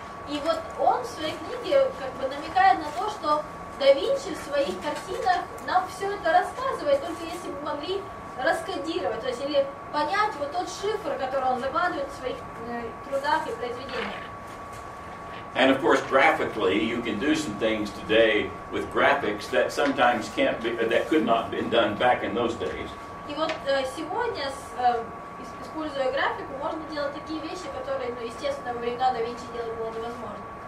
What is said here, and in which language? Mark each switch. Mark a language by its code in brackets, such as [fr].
[ru] И вот он в своей книге как бы намекает на то, что Да Винчи в своих картинах нам все это рассказывает, только если бы могли раскодировать, то есть или понять вот тот шифр, который он закладывает в своих трудах и произведениях. [en] And of course, graphically, you can do some things today with graphics that sometimes can't be, that could not have been done back in those days. [ru] И вот сегодня, используя графику, можно делать такие вещи, которые, ну, естественно, во времена Да Винчи делать было невозможно.